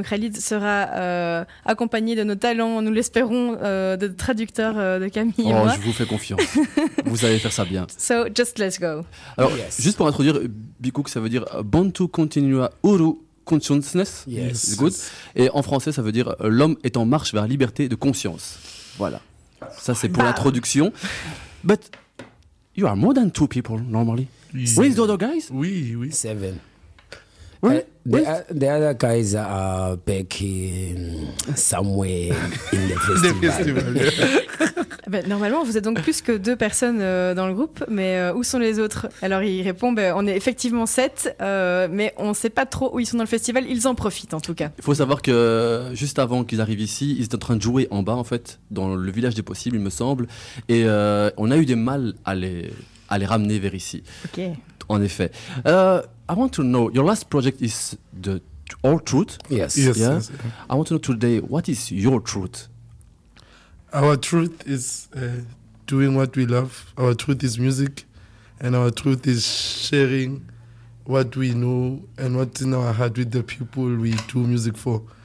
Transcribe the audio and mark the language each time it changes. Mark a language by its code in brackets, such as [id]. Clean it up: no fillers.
[fr] Donc Khalid sera accompagné de nos talents, nous l'espérons, de traducteur de Camille. Oh, je vous fais confiance. Vous allez faire ça bien. [en] So just let's go. [fr] Alors, yes. Juste pour introduire, Bikouk, ça veut dire Bantu Continua Uru. [en] Consciousness, yes. Good. [fr] Et en français, ça veut dire l'homme est en marche vers la liberté de conscience. Voilà. Ça, c'est pour l'introduction. [en] But you are more than two people normally. Yeah. With the other guys? [fr] Oui, oui. [en] Seven. Really? The other guys are back in somewhere in the festival. The festival, yeah. [fr] Ben, normalement, vous êtes donc plus que deux personnes dans le groupe, mais où sont les autres? Alors, il répond, ben, on est effectivement sept, mais on ne sait pas trop où ils sont dans le festival. Ils en profitent, en tout cas. Il faut savoir que juste avant qu'ils arrivent ici, ils étaient en train de jouer en bas, en fait, dans le village des possibles, il me semble. Et on a eu des mal à les ramener vers ici. Ok. En effet. [en] I want to know, your last project is the All Truth? Yes. Yes, yeah? Yes. I want to know today, what is your truth? Our truth is doing what we love. Our truth is music, and our truth is sharing what we know and what's in our heart with the people we do music for.